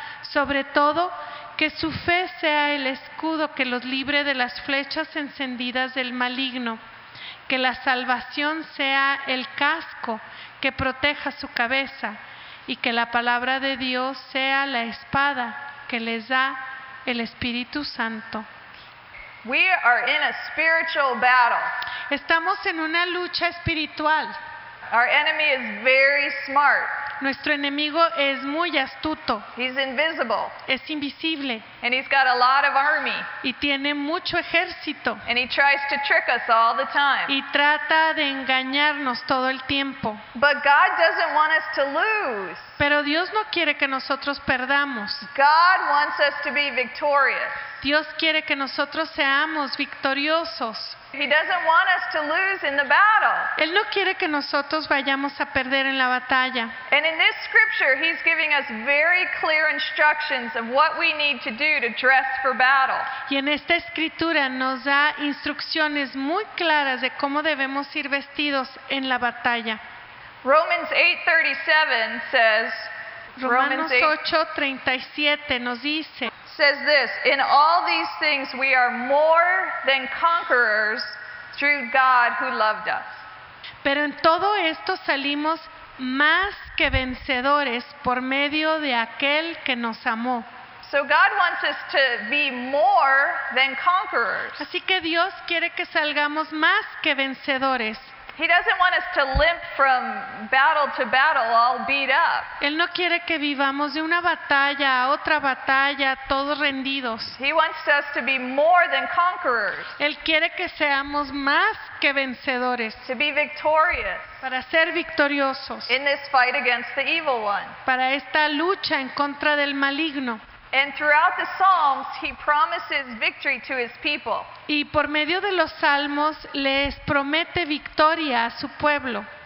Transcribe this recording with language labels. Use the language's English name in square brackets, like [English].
[Spanish] Sobre todo, que su fe sea el escudo que los libre de las flechas encendidas del maligno. Que la salvación sea el casco que proteja su cabeza. Y que la palabra de Dios sea la espada que les da el Espíritu Santo. [English] We are in a spiritual battle. [Spanish] Estamos en una lucha espiritual. [English] Our enemy is very smart. [Spanish] Nuestro enemigo es muy astuto. [English] He's invisible. [Spanish] Es invisible. [English] And he's got a lot of army. [Spanish] Y tiene mucho ejército. [English] And he tries to trick us all the time. [Spanish] Y trata de engañarnos todo el tiempo. [English] But God doesn't want us to lose. [Spanish] Pero Dios no quiere que nosotros perdamos. [English] God wants us to be victorious. [Spanish] Dios quiere que nosotros seamos victoriosos. [English] He doesn't want us to lose in the battle. [Spanish] Él no quiere que nosotros vayamos a perder en la batalla. [English] And in this scripture, he's giving us very clear instructions of what we need to do to dress for battle. [Spanish] Y en esta escritura nos da instrucciones muy claras de cómo debemos ir vestidos en la batalla. [English] Romans 8:37 says. [Spanish] Romanos 8:37 nos dice. [English] Says this, in all these things we are more than conquerors through God who loved us. [Spanish] Pero en todo esto salimos más que vencedores por medio de aquel que nos amó. [English] So God wants us to be more than conquerors. [Spanish] Así que Dios quiere que salgamos más que vencedores. [English] He doesn't want us to limp from battle to battle all beat up. [Spanish] Él no quiere que vivamos de una batalla a otra batalla todos rendidos. [English] He wants us to be more than conquerors. [Spanish] Él quiere que seamos más que vencedores. [English] To be victorious. [Spanish] Para ser victoriosos. [English] In this fight against the evil one. [Spanish] Para esta lucha en contra del maligno. [English] And throughout the Psalms, he promises victory to his people. [Spanish] Y por medio de los Salmos, les promete victoria a su pueblo.